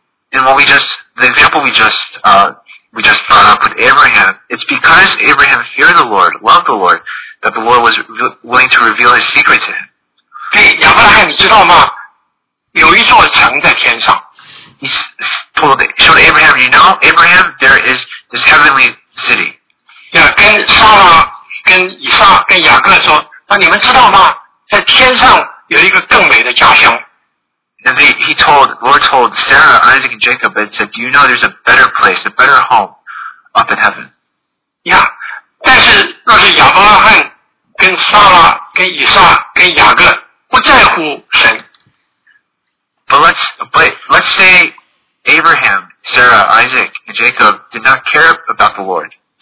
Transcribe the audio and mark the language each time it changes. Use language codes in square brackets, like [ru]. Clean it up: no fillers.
[zh] 因为亚伯拉罕敬畏神，亚伯拉罕爱神，所以神把他的秘密告诉亚伯拉罕。 [en] And what we just brought up with Abraham, it's because Abraham feared the Lord, loved the Lord, that the Lord was willing to reveal His secret to him. [zh] 对，亚伯拉罕，你知道吗？有一座城在天上。 [en] He told Abraham, you know, Abraham, there is this heavenly city. [zh] Yeah, 跟以撒跟雅各说，那你们知道吗？在天上有一个更美的家乡。 [en] And the Lord told Sarah, Isaac, and Jacob, and said, "Do you know there's a better place, a better home, up in heaven?" [zh] Yeah, 但是若是亚伯拉罕跟撒拉跟以撒跟雅各不在乎神。 [en] But let's say Abraham, Sarah, Isaac, and Jacob did not care about the Lord.